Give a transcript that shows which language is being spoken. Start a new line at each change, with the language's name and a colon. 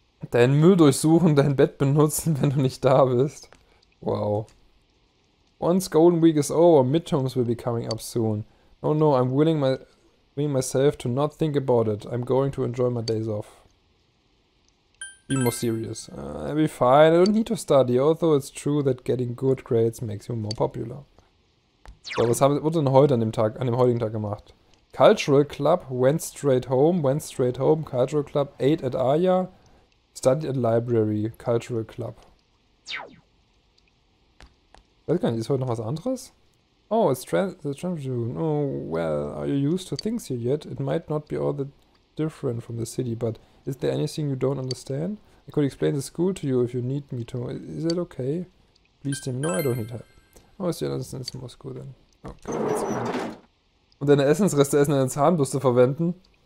German: Deinen Müll durchsuchen, dein Bett benutzen, wenn du nicht da bist.
English: Wow. Once Golden Week is over, midterms will be coming up soon. No, no, I'm willing myself to not think about it. I'm going to enjoy my days off. Be more serious. I'll be fine, I don't need to study. Although it's true that getting good grades makes you more popular.
German: So, was haben wir denn heute an dem heutigen Tag gemacht?
English: Cultural Club went straight home, Cultural Club ate at Aya. Study at Library, Cultural Club.
German: Weiß gar nicht, ist heute noch was anderes?
English: Oh, it's the transition. Oh, well, are you used to things here yet? It might not be all that different from the city, but is there anything you don't understand? I could explain the school to you if you need me to. Is that okay? Please tell me. No, I don't need help. Oh, it's the Essence Moscow then. Okay, that's good.
German: Und deine Essensreste essen in der Zahnbürste verwenden?